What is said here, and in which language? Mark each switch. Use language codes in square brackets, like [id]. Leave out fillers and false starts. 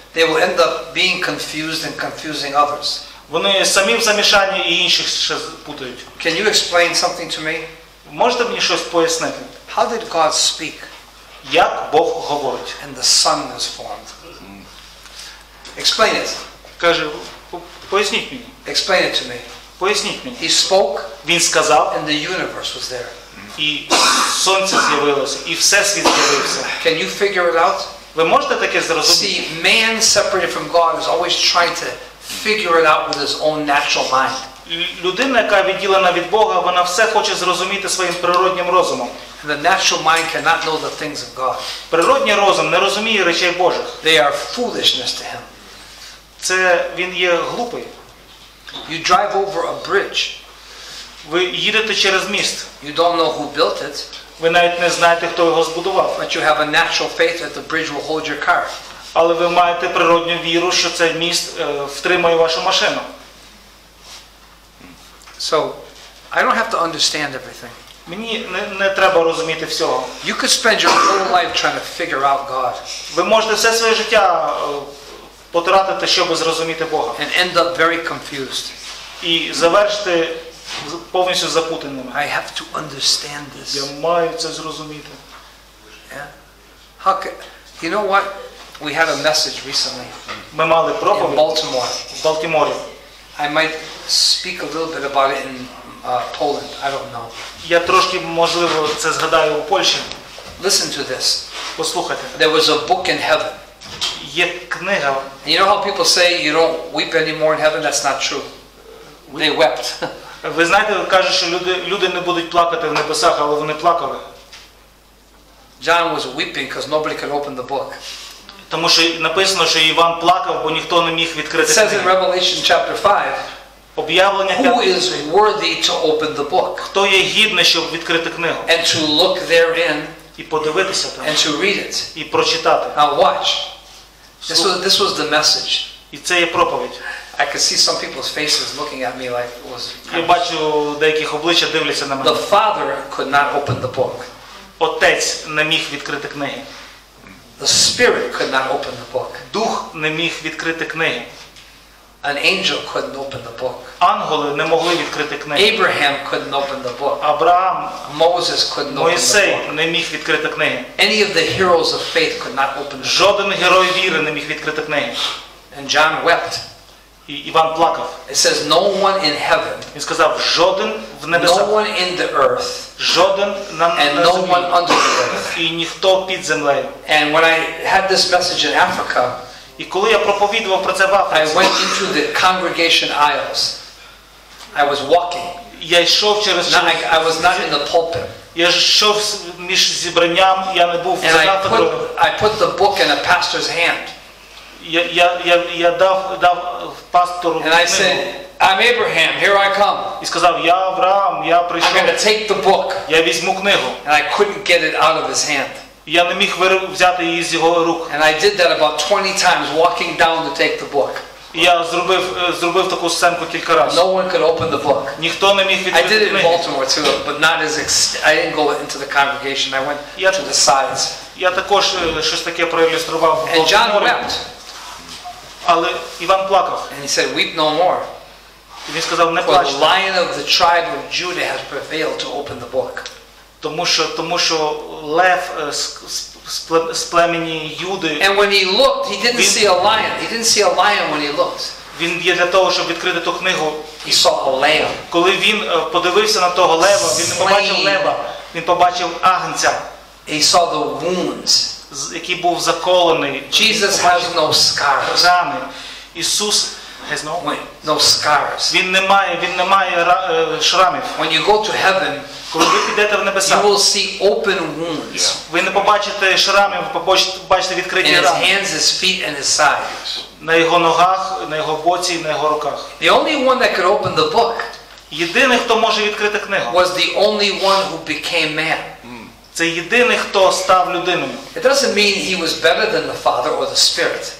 [en] They will end up being confused and confusing others. [uk] Вони самі в замішанні і інших ще путають. [en] Can you explain something to me? [uk] Можете мені щось пояснити? [en] How did God speak? [uk] Як Бог говорить? [en] And the sun is formed. Explain it. [uk] Каже, поясніть мені. [en] Explain it to me. [uk] Поясніть мені. [en] He spoke. [uk] Він сказав. [en] And the universe was there. [uk] І сонце з'явилося, і всесвіт з'явився. [en] Can you figure it out? [uk] Ви можете таке зрозуміти? [en] See, man separated from God is always trying to figure it out with his own natural mind. [uk] Людина, яка відділена від Бога, вона все хоче зрозуміти своїм природнім розумом. [en] The natural mind cannot know the things of God. [uk] Природний розум не розуміє речей Божих. [en] They are foolishness to him. [uk] Це він є глупий. [en] You drive over a bridge. [uk] Ви їдете через міст. [en] You don't know who built it. [uk] Ви навіть не знаєте, хто його збудував. [en] But you have a natural faith that the bridge will hold your car. [uk] Але ви маєте природню віру, що цей міст втримає вашу машину. [en] So, I don't have to understand everything. [uk] Мені не треба розуміти всього. [en] You could spend your whole life trying to figure out God. [uk] Ви можете все своє життя потратити, щоб зрозуміти Бога. [en] And end up very confused. [uk] І завершити повністю запутаним. [en] I have to understand this. [uk] Я маю це зрозуміти. [en] Yeah. How can, you know what? We had a message recently. [uk] Ми мали проповідь в Балтиморі. [en] Baltimore. I might speak a little bit about it in Poland. I don't know. [uk] Я трошки, можливо, це згадаю у Польщі. [en] Listen to this. [uk] Послухайте. [en] There was a book in heaven. [uk] Є книга. [en] You know how people say you don't weep anymore in heaven? That's not true. They wept. [uk] Ви знаєте, кажуть, що люди не будуть плакати в небесах, але вони плакали. [en] John was weeping because nobody could open the book. [uk] Тому що написано, що Іван плакав, бо ніхто не міг відкрити книгу. [en] In Revelation chapter 5. [uk] Об'явлення 5. [en] Who is worthy to open the book? [uk] Хто є гідний, щоб відкрити книгу? [en] And to look therein. [uk] І подивитися там. [en] And to read it. [uk] І прочитати. [en] Now watch. This was the message. [uk] І це є проповідь. [en] I could see some people's faces looking at me like it was. [uk] Я бачу деяких обличчя дивляться на мене. [en] The father could not open the book. [uk] Отець не міг відкрити книги. [en] The spirit could not open the book. [uk] Дух не міг відкрити книги. [en] An angel couldn't open the book. [uk] Ангели не могли відкрити книги. [en] Abraham couldn't open the book. [uk] Авраам, [en] Moses couldn't open the book. [uk] Мойсей не міг відкрити книги. [en] Any of the heroes of faith could not open the book. [uk] Жоден герой віри не міг відкрити книги. [en] And John wept. [uk] І Іван плакав. [en] It says no one in heaven. [uk] Він сказав: "Жоден в небесах, [en] no one in the earth, [uk] жоден на землі, [en] and no one under the earth." [uk] І ніхто під землею. [en] And when I had this message in Africa, [uk] і коли я проповідував про це в Африці, [en] I went into the congregation aisles. I was walking. [uk] Я йшов через [en] like I was not in the pulpit. [uk] Я йшов між зібранням, я не був за кафедрою. [en] I put the book in a pastor's hand. [uk] я дав пастору. [en] And I said, I'm Abraham, here I come. [uk] І сказав: "Я Авраам, я прийшов". [en] I'm gonna take the book. [uk] Я візьму книгу. [en] And I couldn't get it out of his hand. [uk] Я не міг взяти її з його рук. [en] And I did that about 20 times walking down to take the book. [uk] Я зробив таку сценку кілька разів. [en] No one could open the book. [uk] Ніхто не міг відкрити. [en] I did it in Baltimore too, but not as I didn't go into the congregation. I went to the sides. [uk] Я також щось таке проілюстрував. [en] And John wept. [uk] Але Іван плакав. [en] And he said, "Weep no more." [uk] І він сказав: "Не плач". [en] The lion of the tribe of Judah has prevailed to open the book. [uk] Тому що лев з племені Юди. [en] And when he looked, he didn't see a lion. He didn't see a lion when he looked. [uk] Він є для того, щоб відкрити ту книгу. [en] He saw a lamb. [uk] Коли він подивився на того лева, він не побачив лева, він побачив агнця. [en] He saw the wounds. [uk] Який був заколений. [en] Jesus has no scars. [uk] Рани. Ісус [en] has no wounds. No scars. [uk] Він не має шрамів. [en] When you go to heaven, [uk] коли ви підете в небеса, [en] you will see open wounds. [uk] Ви не побачите шрамів, побачите відкриті рани. [en] His hands, his feet and his sides. [uk] На його ногах, на його боці, на його руках. [en] The only one that could open the book. [uk] Єдиний, хто може відкрити книгу. [en] Was the only one who became man. [uk] Це єдиний, хто став людиною. [en] It doesn't mean he was better than the Father or the Spirit.